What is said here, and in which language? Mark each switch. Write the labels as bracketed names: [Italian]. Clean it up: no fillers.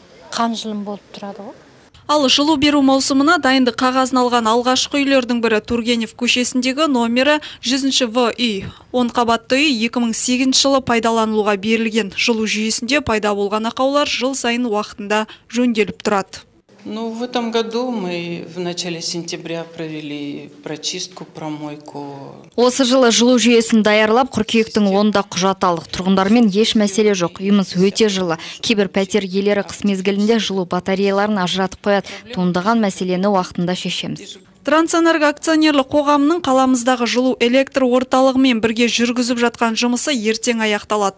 [Kazakh] Қан жылым болып тұрады ғой. Ал жылу беру маусымына дайынды қағазын алған алғашқы үйлердің бірі Тургенев көшесіндегі номері 100-ші В үй. 10 қабатты үй 2008 жылы пайдаланылуға берілген. Жылу жүйесінде пайда болған ақаулар жыл сайын уақытында жөнделіп тұрады. [Russian] Ну, в этом году мы в начале сентября провели прочистку, промойку. [Kazakh] Осы жылы жылу жүйесін даярлап, қыркүйектің 10-да құжат алдық. Тұрғындармен еш мәселе жоқ. Үйіміз өте жылы. Кейбір пәтер иелері қыс мезгілінде жылу батареяларын ажыратып қояды. Туындаған мәселені уақытында шешеміз. Трансэнерго акционерлік қоғамының қаламыздағы жылу электр орталығымен бірге жүргізіп жатқан жұмысы ертең аяқталады.